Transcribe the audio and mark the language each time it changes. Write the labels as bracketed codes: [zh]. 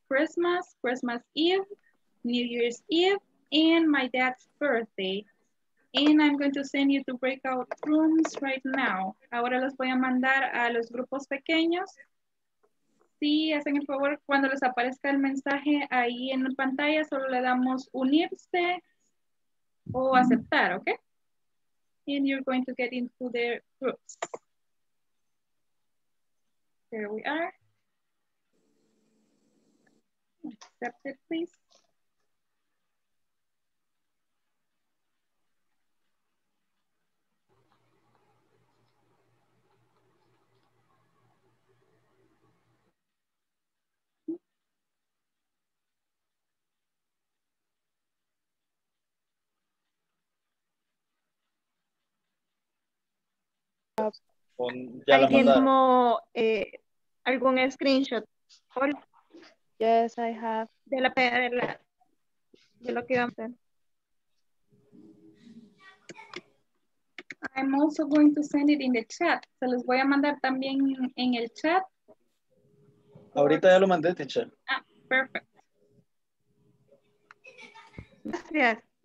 [en] Christmas, Christmas Eve, New Year's Eve, and my dad's birthday. And I'm going to send you to breakout rooms right now. [es] Ahora los voy a mandar a los grupos pequeños. Si hacen el favor, cuando les aparezca el mensaje ahí en la pantalla, solo le damos unirse o aceptar, ¿ok? [en] And you're going to get into their groups. There we are. Accept it, please. [es] Algún screenshot. [en] Yes, I have. [es] De la Yo lo quiero hacer. [en] I'm also going to send it in the chat. [es] Se los voy a mandar también en el chat. Ahorita ya lo mandé, teacher. [en] Ah, perfect. [es] Gracias.